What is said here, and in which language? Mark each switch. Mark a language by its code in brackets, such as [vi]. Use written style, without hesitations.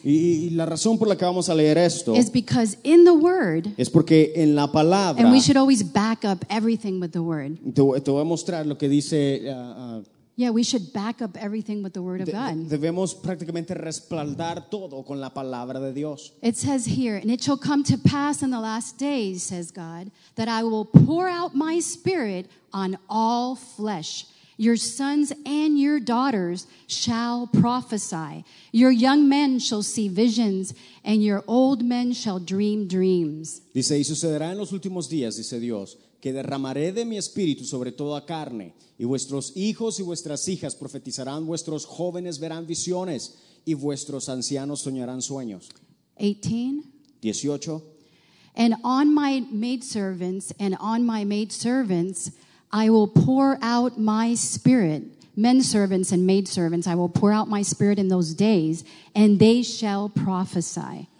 [es] y la razón por la que vamos a leer esto [en] is because in the word [es] es porque en la palabra, [en] and we should always back up everything with the word. [es] Te voy a mostrar lo que dice [en] yeah, we should back up everything with the word of God. [es] Debemos prácticamente respaldar todo con la palabra de Dios. [en] It says here, and it shall come to pass in the last days, says God, that I will pour out my spirit on all flesh. Your sons and your daughters shall prophesy. Your young men shall see visions, and your old men shall dream dreams. [es] Dice, y sucederá en los últimos días, dice Dios, que derramaré de mi espíritu sobre toda carne, y vuestros hijos y vuestras hijas profetizarán, vuestros jóvenes verán visiones, y vuestros ancianos soñarán sueños. [en] 18. And on my maidservants and on my maidservants I will pour out my spirit, men servants and maidservants, I will pour out my spirit in those days, and they shall prophesy.